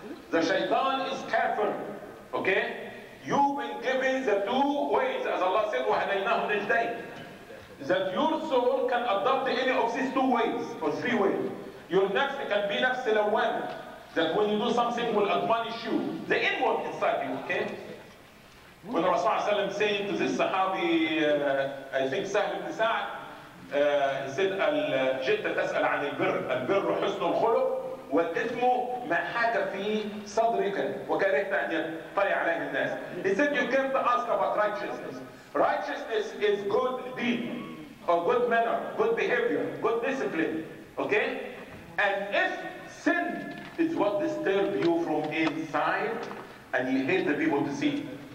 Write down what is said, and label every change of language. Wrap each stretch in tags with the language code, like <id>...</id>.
<en>The shaitan is kafir, okay? You've been given the two ways, as Allah said,</en> <ar>وَهَدَيْنَاهُ نَجْدَيْنِ.</ar> <en>That your soul can adopt any of these two ways, or three ways. Your nafs can be nafs lawwam, that when you do something will admonish you. The inward inside you, okay? When Rasulullah ﷺ said to this Sahabi, I think Sahl ibn Sa'd, he said,</en> <ar>جئت تسأل عن البر، البر حسن الخلق والإثم ما حاك في صدرك وكرهت أن يطلع عليه الناس.</ar> <en>He said, you came to ask about righteousness. Righteousness is good deed, or good manner, good behavior, good discipline. Okay? And if sin is what disturbs you from inside, and you hate the people to see.</en>